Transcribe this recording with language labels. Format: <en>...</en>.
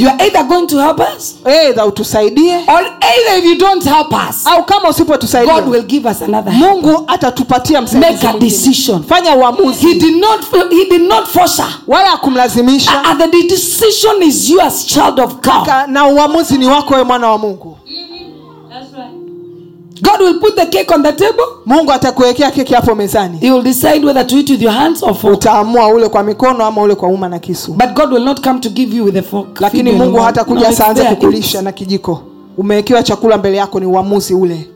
<en>You are either going to help us?</en> <sw>Either utusaidie.</sw> <en>Or either if you don't help us.</en> <sw>Au kama usipotusaidia.</sw> <en>God will give us another.</en> <sw>Mungu atatupatia msaidizi.</sw> <en>Make a decision.</en> <sw>Fanya uamuzi.</sw> <en>He did not force her.</en> <sw>Wala akumlazimisha.</sw> <en>And the decision is you as child of God.</en> <sw>Na uamuzi ni wako wewe mwana wa Mungu.</sw> <en>God will put the cake on the table.</en> <sw>Mungu atakuwekea keki hapo mezani.</sw> <en>He will decide whether to eat with your hands or fork.</en> <sw>Utaamua ule kwa mikono ama ule kwa uma na kisu.</sw> <en>But God will not come to give you with a fork.</en> <sw>Lakini Mungu hatakuja saanze kukulisha na kijiko. Umewekewa chakula mbele yako ni uamuzi ule.</sw>